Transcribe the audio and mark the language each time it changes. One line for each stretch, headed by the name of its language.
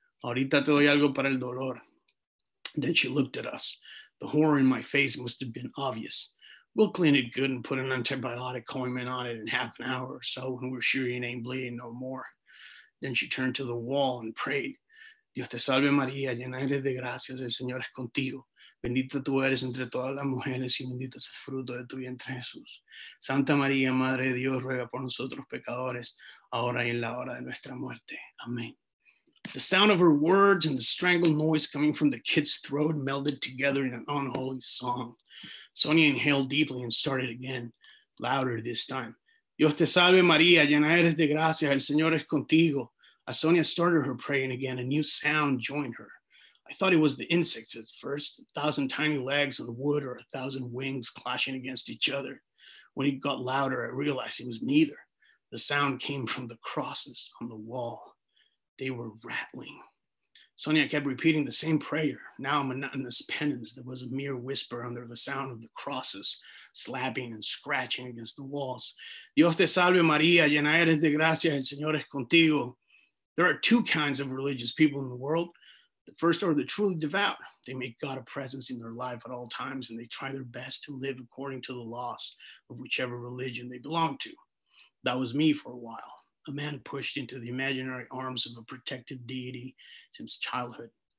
Spanish: Ahorita te doy algo para el dolor.
English: Then she looked at us. The horror in my face must have been obvious. We'll clean it good and put an antibiotic ointment on it in half an hour or so when we're sure it ain't bleeding no more. Then she turned to the wall and prayed.
Spanish: Dios te salve María, llena eres de gracias, el Señor es contigo. Bendita tú eres entre todas las mujeres y bendito es el fruto de tu vientre, Jesús. Santa María, Madre de Dios, ruega por nosotros pecadores, ahora y en la hora de nuestra muerte. Amén.
English: The sound of her words and the strangled noise coming from the kid's throat melded together in an unholy song. Sonia inhaled deeply and started again, louder this time.
Spanish: Dios te salve, María, llena eres de gracia, el Señor es contigo.
English: Asonia started her praying again, a new sound joined her. I thought it was the insects at first, 1,000 tiny legs on wood or 1,000 wings clashing against each other. When it got louder, I realized it was neither. The sound came from the crosses on the wall. They were rattling. Sonia kept repeating the same prayer, now a monotonous penance that was a mere whisper under the sound of the crosses slapping and scratching against the walls.
Spanish: Dios te salve Maria, llena eres de gracia, el Señor es contigo.
English: There are two kinds of religious people in the world. The first are the truly devout. They make God a presence in their life at all times, and they try their best to live according to the laws of whichever religion they belong to. That was me for a while, a man pushed into the imaginary arms of a protective deity since childhood.